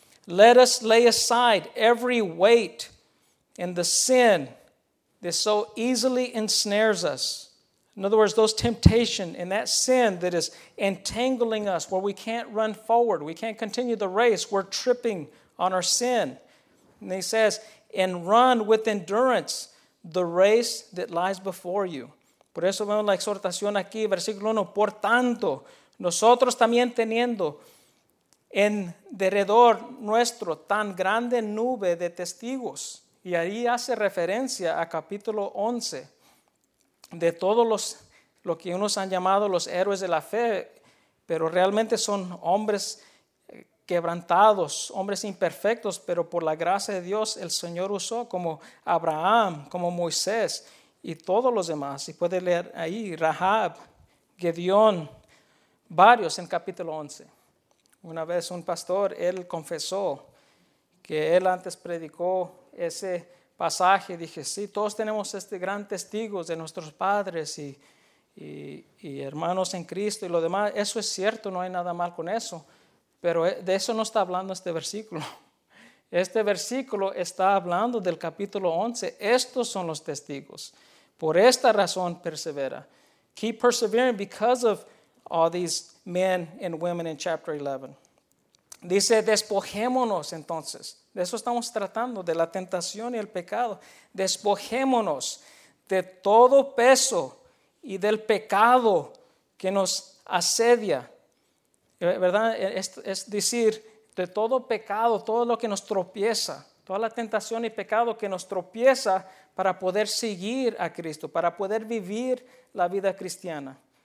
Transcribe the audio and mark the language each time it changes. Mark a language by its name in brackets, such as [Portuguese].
[English] Let us lay aside every weight and the sin that so easily ensnares us. In other words, those temptation and that sin that is entangling us where we can't run forward, we can't continue the race, we're tripping on our sin. And he says, and run with endurance the race that lies before you. [Spanish] Por eso vemos la exhortación aquí, versículo 1. Por tanto, nosotros también teniendo en derredor nuestro tan grande nube de testigos. Y ahí hace referencia a capítulo 11. De todos lo que unos han llamado los héroes de la fe. Pero realmente son hombres quebrantados, hombres imperfectos. Pero por la gracia de Dios, el Señor usó como Abraham, como Moisés. Y todos los demás, y puede leer ahí, Rahab, Gedeón, varios en capítulo 11. Una vez un pastor, él confesó que él antes predicó ese pasaje. Dije, sí, todos tenemos este gran testigo de nuestros padres y hermanos en Cristo y lo demás. Eso es cierto, no hay nada mal con eso. Pero de eso no está hablando este versículo. Este versículo está hablando del capítulo 11. Estos son los testigos. Por esta razón persevera. [English] Keep persevering because of all these men and women in chapter 11. [Spanish] Dice, despojémonos entonces. De eso estamos tratando, de la tentación y el pecado. Despojémonos de todo peso y del pecado que nos asedia. ¿Verdad? Es decir, de todo pecado, todo lo que nos tropieza, toda la tentación y pecado que nos tropieza para poder seguir a Cristo, para poder vivir la vida cristiana.